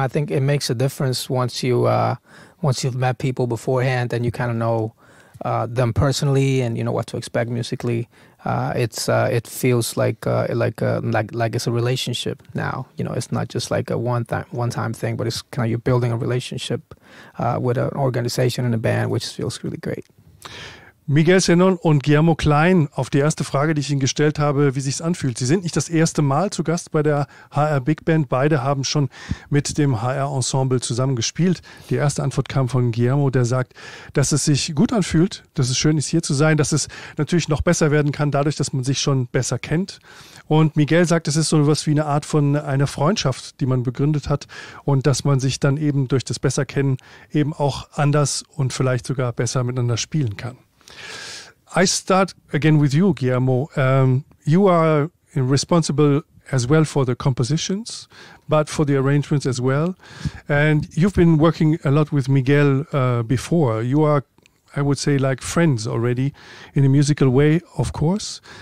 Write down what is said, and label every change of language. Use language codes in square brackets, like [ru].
[en] I think it makes a difference once you, once you've met people beforehand and you kind of know them personally and you know what to expect musically. It feels like it's a relationship now. You know, it's not just like a one time thing, but it's kind of you're building a relationship with an organization and a band, which feels really great. [de] Miguel Zenon und Guillermo Klein, auf die erste Frage, die ich Ihnen gestellt habe, wie sich es anfühlt. Sie sind nicht das erste Mal zu Gast bei der HR Big Band. Beide haben schon mit dem HR Ensemble zusammengespielt. Die erste Antwort kam von Guillermo, der sagt, dass es sich gut anfühlt, dass es schön ist, hier zu sein, dass es natürlich noch besser werden kann, dadurch, dass man sich schon besser kennt. Und Miguel sagt, es ist so etwas wie eine Art von einer Freundschaft, die man begründet hat und dass man sich dann eben durch das Besserkennen eben auch anders und vielleicht sogar besser miteinander spielen kann. [en] I start again with you, Guillermo. You are responsible as well for the compositions, but for the arrangements as well. And you've been working a lot with Miguel before. You are, I would say, like friends already in a musical way, of course.